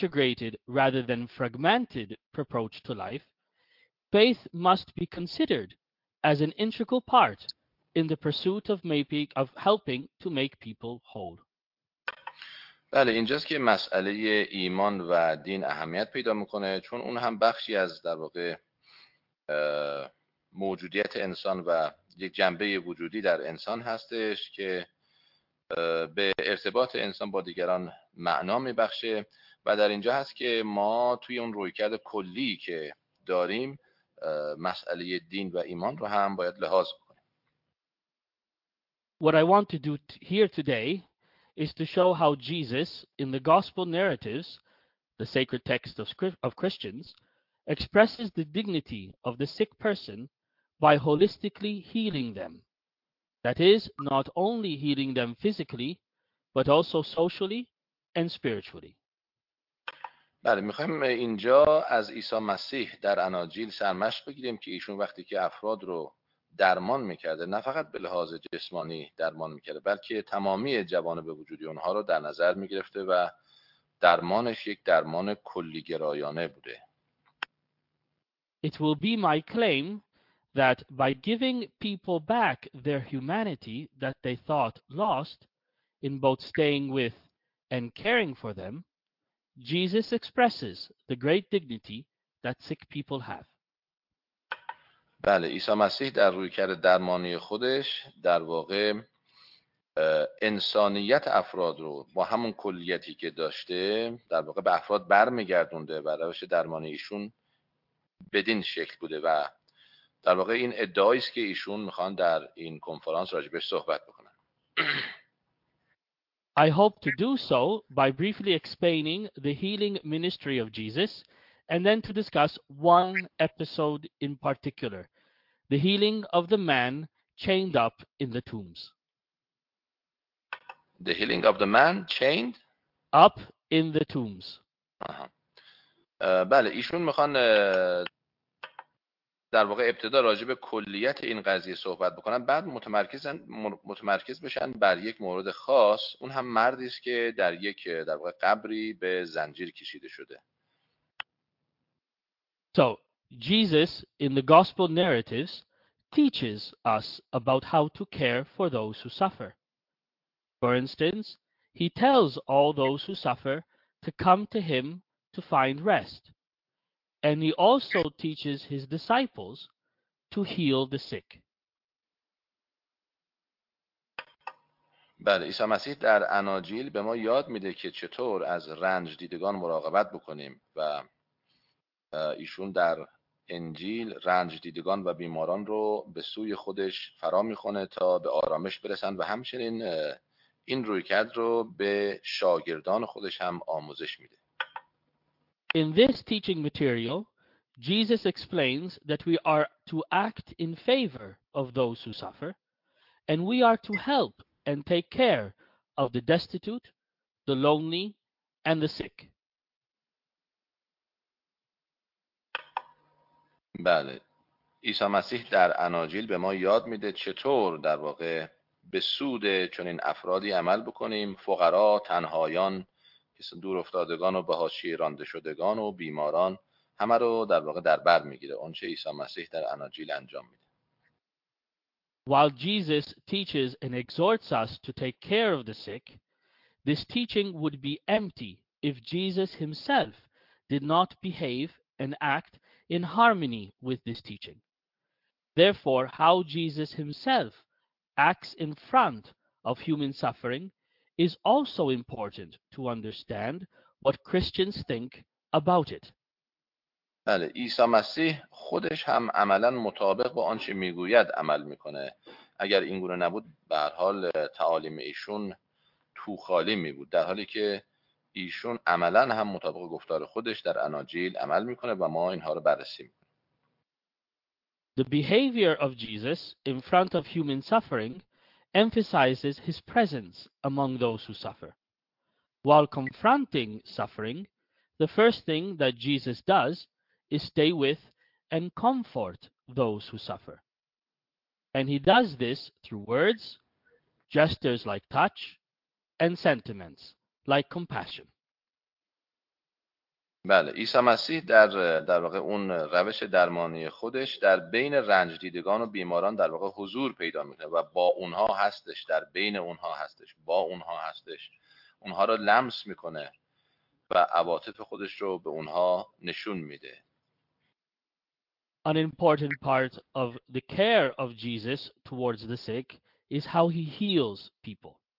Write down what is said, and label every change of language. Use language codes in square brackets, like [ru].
[en] integrated rather than fragmented approach to life, faith must be considered as an integral part in the pursuit of making, of helping to make people whole. [fa] بله، اینجاست که مسئله ایمان و دین اهمیت پیدا میکنه، چون اون هم بخشی از در واقع موجودیت انسان و یک جنبه وجودی در انسان هستش که به ارتباط انسان با دیگران معنا میبخشه. و در اینجا هست که ما توی اون رویکرد کلی که داریم مسئله دین و ایمان رو هم باید لحاظ کنیم. [en] What I want to do here today is to show how Jesus, in the gospel narratives, the sacred text of Christians, expresses the dignity of the sick person by holistically healing them. That is, not only healing them physically, but also socially and spiritually. [fa] بله، میخوایم اینجا از عیسی مسیح در اناجیل سرمشق بگیریم که ایشون وقتی که افراد رو درمان میکرده، نه فقط به لحاظ جسمانی درمان میکرده، بلکه تمامی جوانب وجودی اونها رو در نظر میگرفته و درمانش یک درمان کلیگرایانه بوده. [en] It will be my claim that by giving people back their humanity that they thought lost in both staying with and caring for them, Jesus expresses the great dignity that sick people have. [fa] بله، عیسی مسیح در رویکرد درمانی خودش در واقع انسانیت افراد رو با همون کلیتی که داشته در واقع به افراد برمیگردونده و روش درمانی ایشون بدین شکل بوده و در واقع این ادعایی است که ایشون میخوان در این کنفرانس راجبش صحبت بکنن. [en] I hope to do so by briefly explaining the healing ministry of Jesus and then to discuss one episode in particular, the healing of the man chained up in the tombs. The healing of the man chained up in the tombs. [fa] بله، ایشون میخوان در واقع ابتدا راجع به کلیت این قضیه صحبت بکنن، بعد متمرکز بشن بر یک مورد خاص. اون هم مردی است که در یک در واقع قبری به زنجیر کشیده شده. [en] So, Jesus, in the gospel narratives, teaches us about how to care for those who suffer. For instance, he tells all those who suffer to come to him to find rest. And he also teaches his disciples to heal the sick. [fa] بله، عیسی مسیح در اناجیل به ما یاد میده که چطور از رنج دیدگان مراقبت بکنیم و ایشون در انجیل رنج دیدگان و بیماران رو به سوی خودش فرا میخونه تا به آرامش برسن و همچنین این رویکرد رو به شاگردان خودش هم آموزش میده. [en] In this teaching material, Jesus explains that we are to act in favor of those who suffer and we are to help and take care of the destitute, the lonely and the sick. [fa] بله، عیسی مسیح در اناجیل به ما یاد میده چطور در واقع به سود چنین افرادی عمل بکنیم، فقرا، تنهایان، دور افتادگان و به حاشیه رانده شدگان و بیماران، همه رو در واقع در بر میگیره اونچه عیسی مسیح در اناجیل انجام میده. [en] While Jesus teaches and exhorts us to take care of the sick, this teaching would be empty if Jesus himself did not behave and act in harmony with this teaching. Therefore, how Jesus himself acts in front of human suffering is also important to understand what Christians think about it. [fa] بله، عیسی مسیح خودش هم عملاً مطابق با آنچه میگوید عمل میکنه. اگر این گونه نبود، به هر حال تعالیم ایشون تو خالی میبود، در حالی که ایشون عملا هم مطابق گفتار خودش در اناجیل عمل میکنه و ما اینها رو بررسی میکنیم. [en] The behavior of Jesus in front of human suffering emphasizes his presence among those who suffer. While confronting suffering, the first thing that Jesus does is stay with and comfort those who suffer. And he does this through words, gestures like touch, and sentiments like compassion. [fa] بله، عیسی مسیح در واقع اون روش درمانی خودش در بین رنج دیدگان و بیماران در واقع حضور پیدا میکنه و با اونها هستش، در بین اونها هستش، با اونها هستش، اونها رو لمس میکنه و عواطف خودش رو به اونها نشون میده. [en] An important part of the care of Jesus towards the sick is how he heals people.